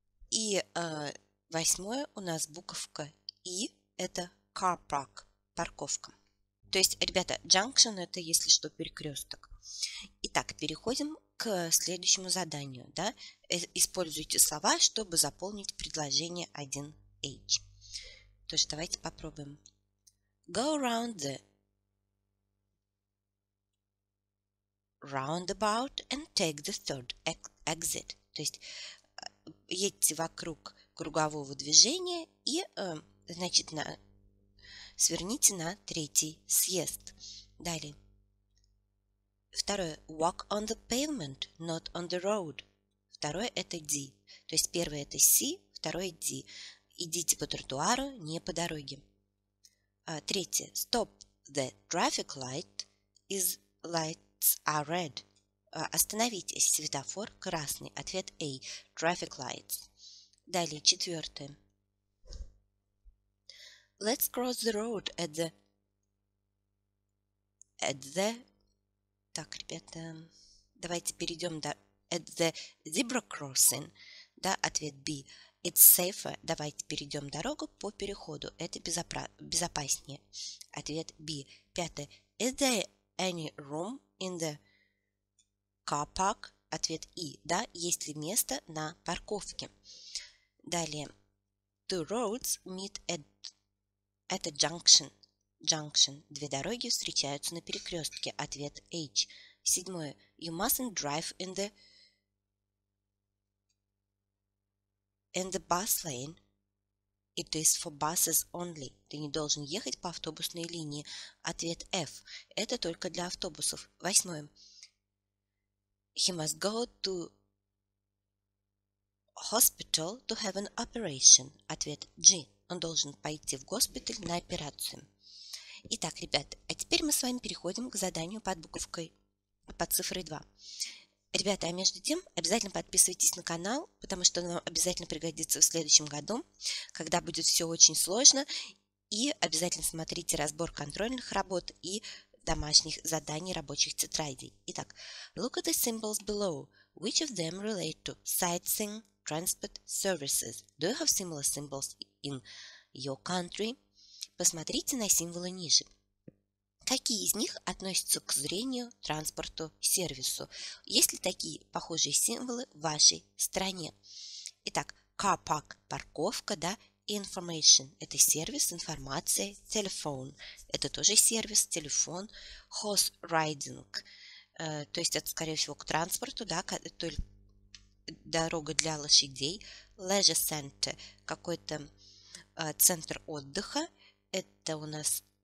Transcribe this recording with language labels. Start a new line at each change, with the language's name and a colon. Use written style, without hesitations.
Russian: И восьмое у нас буковка E, это car park, парковка. То есть, ребята, junction – это, если что, перекресток. Итак, переходим к следующему заданию. Да? Используйте слова, чтобы заполнить предложение 1H. То есть, давайте попробуем.
English: Go around the roundabout and take the third exit.
Russian: То есть, едьте вокруг кругового движения и, значит, на... Сверните на третий съезд. Далее. Второе.
English: Walk on the pavement, not on the road.
Russian: Второе – это D. То есть первое – это C, второе – D. Идите по тротуару, не по дороге. Третье.
English: Stop. The traffic light is lights are red.
Russian: Остановитесь. Светофор красный. Ответ A. Traffic lights. Далее. Четвертое.
English: Let's cross the road at the... At the...
Russian: Так, ребята, давайте перейдем до...
English: At the zebra crossing.
Russian: Да, ответ B.
English: It's safer.
Russian: Давайте перейдем дорогу по переходу. Это безопаснее. Ответ B. Пятое.
English: Is there any room in the car park?
Russian: Ответ E. Да, есть ли место на парковке? Далее.
English: Two roads meet at a junction. Junction.
Russian: Две дороги встречаются на перекрестке. Ответ H. Седьмое.
English: You mustn't drive in the... In the bus lane, it is for buses only.
Russian: Ты не должен ехать по автобусной линии. Ответ F. Это только для автобусов. Восьмое.
English: He must go to hospital to have an operation.
Russian: Ответ G. Он должен пойти в госпиталь на операцию. Итак, ребята, а теперь мы с вами переходим к заданию под буковкой, под цифрой 2. Ребята, а между тем, обязательно подписывайтесь на канал, потому что он вам обязательно пригодится в следующем году, когда будет все очень сложно. И обязательно смотрите разбор контрольных работ и домашних заданий рабочих тетрадей. Итак,
English: look at the symbols below. Which of them relate to sightseeing, transport, services? Do you have similar symbols in your country?
Russian: Посмотрите на символы ниже. Какие из них относятся к зрению, транспорту, сервису? Есть ли такие похожие символы в вашей стране? Итак, car park – парковка, да, information – это сервис, информация, telephone – это тоже сервис, телефон, horse riding – то есть это, скорее всего, к транспорту, да, дорога для лошадей, leisure center – какой-то центр отдыха, это у нас...